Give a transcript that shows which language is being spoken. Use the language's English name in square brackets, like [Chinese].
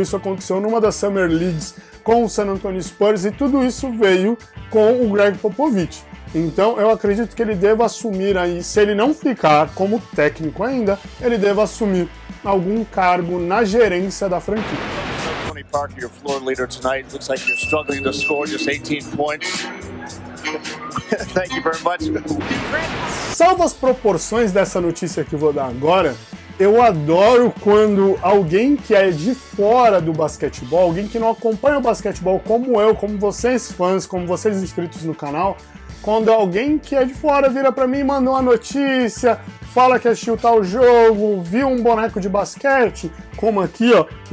[Portuguese] Isso aconteceu numa das Summer Leagues com o San Antonio Spurs, e tudo isso veio com o Greg Popovich. Então, eu acredito que ele deva assumir aí, se ele não ficar como técnico ainda, ele deva assumir algum cargo na gerência da franquia. [English] Tony Parker, your floor leader tonight. Looks like you're struggling to score just 18 points. Thank you very much. [Portuguese] Salvo as proporções dessa notícia que eu vou dar agora, eu adoro quando alguém que é de fora do basquetebol, alguém que não acompanha o basquetebol como eu, como vocês fãs, como vocês inscritos no canal, quando alguém que é de fora vira pra mim e manda uma notícia, fala que assistiu tal jogo, viu um boneco de basquete, como aqui, ó,